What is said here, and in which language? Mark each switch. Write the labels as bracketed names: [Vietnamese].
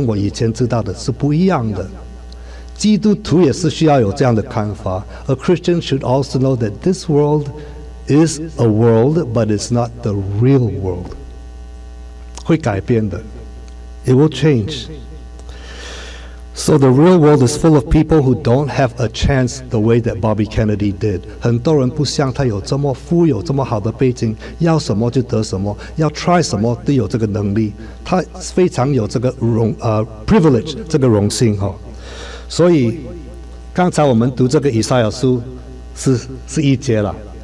[Chinese] 他说我现在看世界跟我以前知道的是不一样的。基督徒也是需要有这样的看法。 [English] A Christian should also know that this world is a world, but it's not the real world. [Chinese] 会改变的, [English] it will change. So the real world is full of people who don't have a chance the way that Bobby Kennedy did. [Chinese] 很多人不像他有这么富有这么好的背景, 要什么就得什么, 要try什么都有这个能力, 他非常有这个privilege, 这个荣幸, 所以刚才我们读这个以赛亚书是一节了,